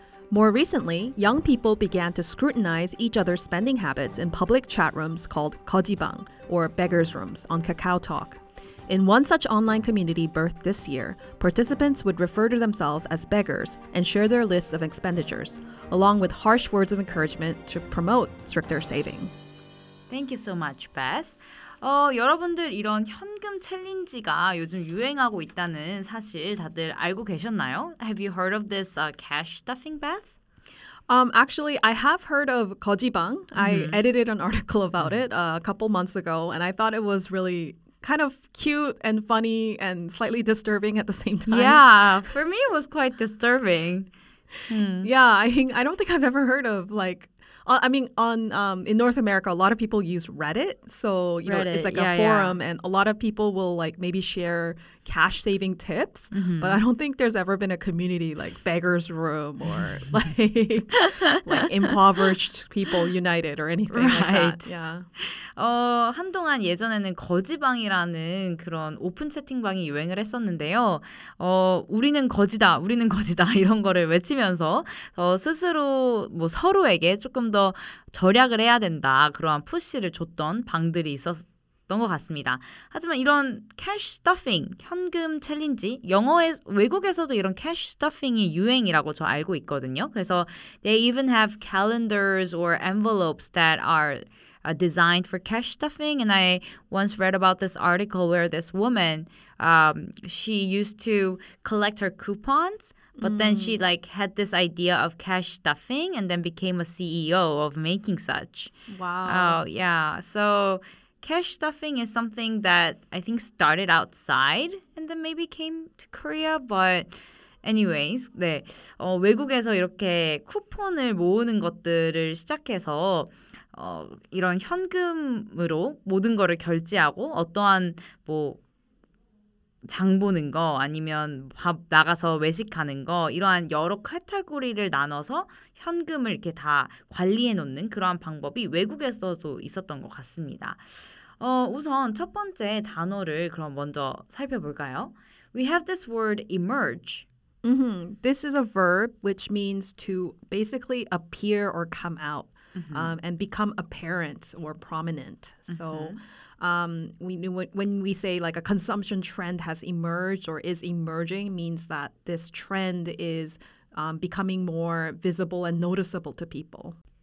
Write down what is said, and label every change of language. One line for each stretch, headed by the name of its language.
English: More recently, young people began to scrutinize each other's spending habits in public chat rooms called 거지방, or beggar's rooms, on KakaoTalk. In one such online community birthed this year, participants would refer to themselves as beggars and share their lists of expenditures, along with harsh words of encouragement to promote stricter saving. Thank you so much, Beth.
Korean: 여러분들 이런 현금 챌린지가 요즘 유행하고 있다는 사실 다들 알고 계셨나요?
English: Have you heard of this cash stuffing, Beth? Actually, I have heard of 거지방. Mm-hmm. I edited an article about it a couple months ago, and I thought it was really kind of cute and funny and slightly disturbing at the same time. Yeah, for me it was quite disturbing. Yeah, I don't think I've ever heard of, like, I mean, on in North America, a lot of people use Reddit. So, you Reddit, know, it's like a forum and a lot of people will, like, maybe share cash saving tips. Mm-hmm. But I don't think there's ever been a community like Beggar's Room or like Impoverished People United or anything right. like that. Yeah.
Korean: 한동안 예전에는 거지방이라는 그런 오픈 채팅방이 유행을 했었는데요. 우리는 거지다, 우리는 거지다 이런 거를 외치면서 스스로 뭐 서로에게 조금 더 절약을 해야 된다 그러한 푸시를 줬던 방들이 있었던 것 같습니다. 하지만 이런 캐시 스터핑, 현금 챌린지 외국에서도 이런 캐시 스터핑이 유행이라고 저 알고 있거든요. 그래서
English: they even have calendars or envelopes that are designed for cash stuffing. And I once read about this article where this woman she used to collect her coupons. But then she, like, had this idea of cash stuffing and then became a CEO of making such. Wow. Yeah. So cash stuffing is something that I think started outside and then maybe came to Korea. But Anyways, 네.
Korean: 외국에서 이렇게 쿠폰을 모으는 것들을 시작해서 이런 현금으로 모든 거를 결제하고 어떠한 뭐 장 보는 거 아니면 밥 나가서 외식하는 거 이러한 여러 카테고리를 나눠서 현금을 이렇게 다 관리해 놓는 그러한 방법이 외국에서도 있었던 것 같습니다. 우선 첫 번째 단어를 그럼 먼저 살펴볼까요?
English: We have this word emerge. Mm-hmm. This is a verb which means to basically appear or come out and become apparent or prominent. So when we say like a consumption trend has emerged or is emerging means that this trend is becoming more visible and noticeable to people.